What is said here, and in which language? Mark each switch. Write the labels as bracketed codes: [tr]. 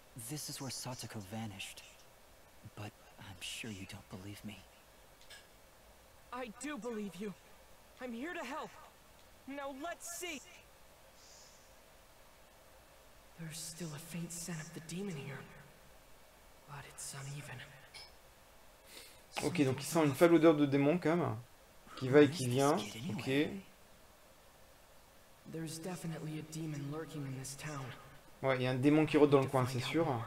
[en] This is where Satsuko vanished. But I'm sure you don't believe me. I do believe you. I'm here to help. Now let's see. There's still a faint scent of the demon here. But it's uneven. [fr] Ok, donc il sent une faible odeur de démon, quand même. Qui va et qui vient. Ok. [en] There's definitely a demon lurking in this town. [fr] Ouais, il y a un démon qui rôde dans le coin, c'est sûr.